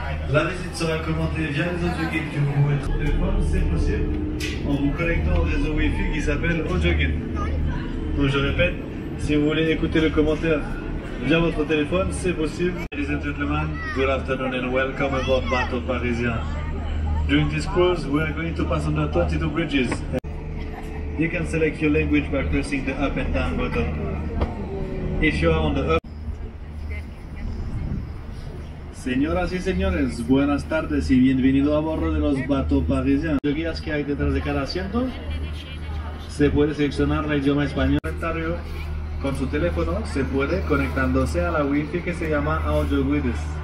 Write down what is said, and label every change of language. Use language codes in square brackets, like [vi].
[fr] La visite sera commentée via les audio guides que vous pouvez trouver où c'est possible en vous connectant au réseau Wi-Fi qui s'appelle Audio Guide. Donc je répète, si vous voulez écouter le commentaire via votre téléphone, c'est possible. [en] Ladies and gentlemen, good afternoon and welcome aboard Bateau Parisien. During this cruise, we are going to pass under 22 bridges. You can select your language by pressing the up and down button. If you are on the up... [es] Señoras y señores, buenas tardes y bienvenido a bordo de los Bateaux Parisiens. ¿Qué guías que hay detrás de cada asiento? Se puede seleccionar el idioma español. Con su teléfono se puede conectándose a la wifi que se llama Audio Guides.